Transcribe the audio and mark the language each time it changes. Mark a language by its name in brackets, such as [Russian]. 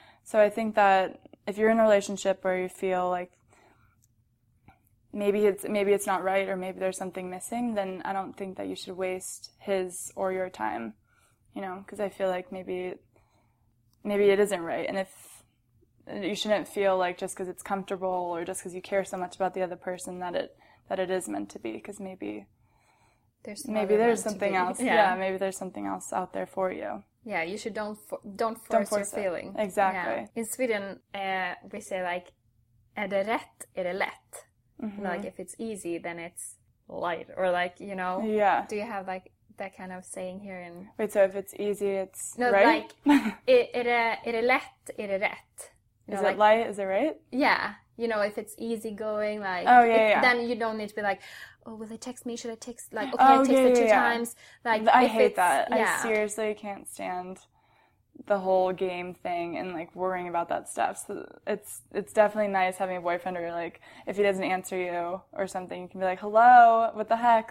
[English] So I think that if you're in a relationship where you feel like maybe it's not right or maybe there's something missing, then I don't think that you should waste his or your time, you know, because I feel like maybe it isn't right. And if you shouldn't feel like just because it's comfortable or just because you care so much about the other person that it is meant to be, because maybe... There's something else. Yeah, maybe there's something else out there for you. Yeah, you should don't force your feeling. It. Exactly. Yeah. In Sweden, we say like, [Swedish] "Är det rätt, är det lätt." [English] Mm-hmm. Like, if it's easy, then it's light. Or like, you know. Yeah. Do you have like that kind of saying here in? Wait. So if it's easy, it's no, right. No, like, [Swedish] är det lätt, är det rätt. [English] Is it light? Is it right? Yeah. You know, if it's easy going, like, oh, yeah, yeah. Then you don't need to be like, oh, will they text me? Should I text? Like, okay, oh, I texted times. Like, I hate that. Yeah. I seriously can't stand the whole game thing and like worrying about that stuff. So it's definitely nice having a boyfriend or like if he doesn't answer you or something, you can be like, hello, what the heck?